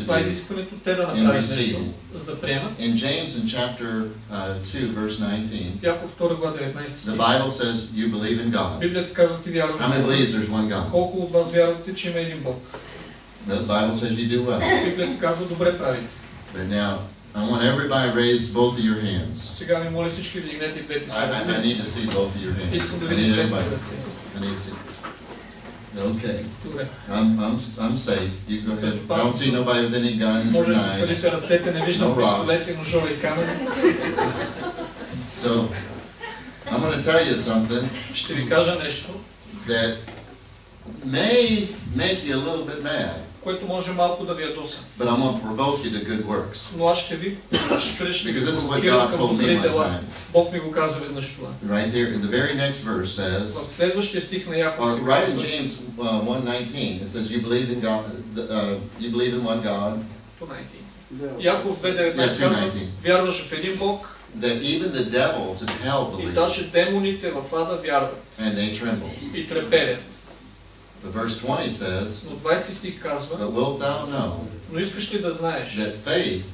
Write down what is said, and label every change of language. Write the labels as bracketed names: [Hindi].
[Bulgarian] Това е изискването те да направят нещо, за да приемат. [English] In James in chapter 2 verse 19. [Bulgarian] Яков 2 глава 19 стих. [English] The Bible says you believe in God. [Bulgarian] Библията казва ти вярваш. [English] How many believes there's one God? [Bulgarian] Колко от вас вярвате, че има един Бог? [English] The Bible says you do well. [Bulgarian] Библията казва добре правите. [English] But now I want everybody to raise both of your hands. [Bulgarian] Сега ви моля всички да дигнете двете си ръце. [English] I need to see both of your hands. [Bulgarian] Искам да видим двете ръце. [English] Okay. [Bulgarian] Добре. [English] I'm safe. You go ahead. [Bulgarian] Безопасно. [English] Don't see nobody with any guns. [Bulgarian] Може да се свалите ръцете, не виждам пистолети, ножове и камери. [English] So, I'm going to tell you something. [Bulgarian] Ще ви кажа нещо. [English] That may make you a little bit mad. [Bulgarian] Което може малко да ви е доса. [English] But I'm going to provoke you to good works. [Bulgarian] Но аз ще ви шкреш. [English] Because this is what God told me my time. [Bulgarian] Бог ми го каза веднъж това. [English] Right there in the very next verse says. [Bulgarian] В следващия стих на Яков се казва. [English] Right in James 1:19 it says you believe in God, you believe in one God. 2:19. [Bulgarian] Яков 2:19 казва, вярваш в един Бог. [English] That even the devils in hell believe. [Bulgarian] И даже демоните в ада вярват. [English] And they tremble. [Bulgarian] И треперят. [English] The verse 20 says, [Bulgarian] но 20 стих казва, [English] but wilt thou know, [Bulgarian] но искаш ли да знаеш, [English] that faith,